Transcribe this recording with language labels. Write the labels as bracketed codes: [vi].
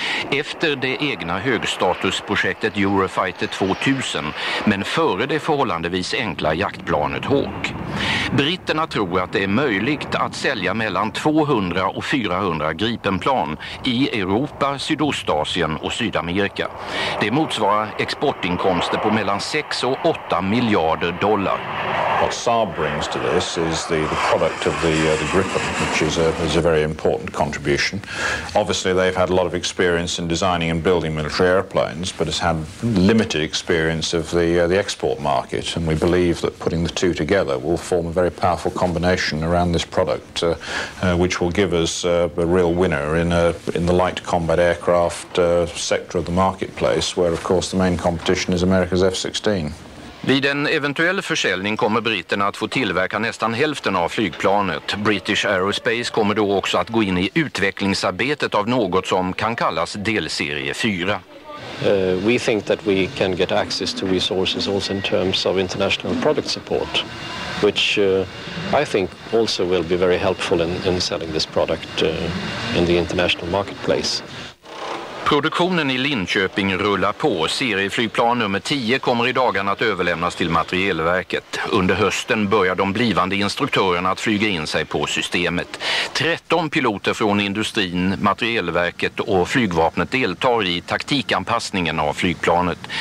[sv] Efter det egna högstatusprojektet Eurofighter 2000, men före det förhållandevis enkla jaktplanet Hawk. Britterna tror att det är möjligt att sälja mellan 200 och 400 Gripenplan i Europa, Sydostasien och Sydamerika. Det motsvarar exportinkomster på mellan 6 och 8 miljarder dollar. [en] What Saab brings to this is the product of the Gripen, which is a very important contribution. Obviously they've had a lot of experience in designing and building military airplanes, but has had limited experience of the export market, and we believe that putting the two together will form a very powerful combination around this product, which will give us a real winner in the light combat aircraft sector of the marketplace, where of course the main competition is America's F-16. [sv] Vid en eventuell försäljning kommer britterna att få tillverka nästan hälften av flygplanet. British Aerospace kommer då också att gå in i utvecklingsarbetet av något som kan kallas delserie 4. [en] We think that we can get access to resources also in terms of international product support, which I think also will be very helpful in selling this product in the international marketplace. [sv] Produktionen i Linköping rullar på. Serieflygplan nummer 10 kommer i dagarna att överlämnas till Materielverket. Under hösten börjar de blivande instruktörerna att flyga in sig på systemet. 13 piloter från industrin, Materielverket och flygvapnet deltar i taktikanpassningen av flygplanet.